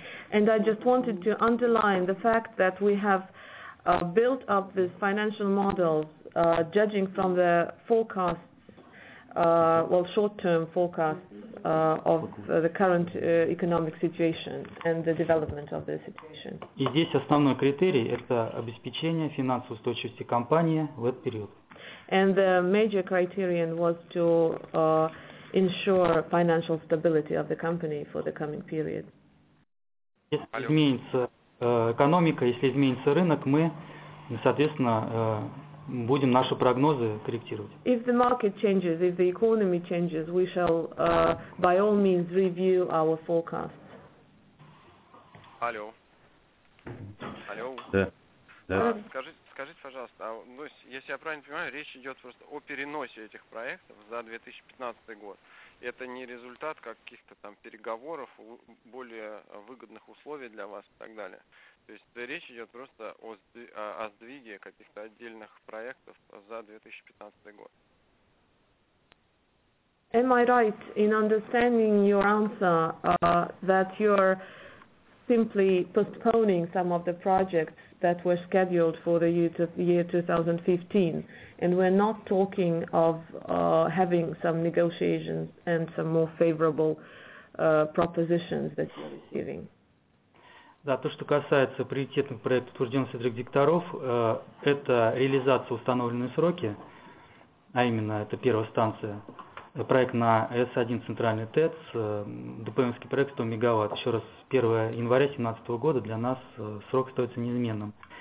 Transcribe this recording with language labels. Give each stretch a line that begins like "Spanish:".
English: And I just wanted to underline the fact that we have built up this financial model judging from the forecasts, well, short-term forecasts of the current economic situation and the development of the situation.
Russian: И здесь основной критерий – это обеспечение финансовой устойчивости компании в этот период.
English: And the major criterion was to ensure financial stability of the company for the coming period.
Russian: Если изменится экономика, если изменится рынок, мы, соответственно, будем наши прогнозы корректировать.
English: If the market changes, if the economy changes, we shall by all means review our forecasts.
Russian: Алло. Алло. Да. Да. Скажите, пожалуйста, если я правильно понимаю, речь идет просто о переносе этих проектов за 2015 год. Это не результат каких-то там переговоров, более выгодных условий для вас и так далее. То есть речь идет просто о сдвиге каких-то отдельных проектов за 2015 год.
English: Am I right in understanding your answer that you're simply postponing some of the projects that were scheduled for the year 2015, and we're not talking of having some negotiations and some more favorable propositions that you're receiving?
Russian: Да, то, что касается приоритетных проектов, утвержденных среди директоров, это реализация установленные сроки, а именно это первая станция, проект на С1 центральный ТЭЦ, ДПМский проект 100 мегаватт. Еще раз, 1 января 2017 года для нас срок остается неизменным.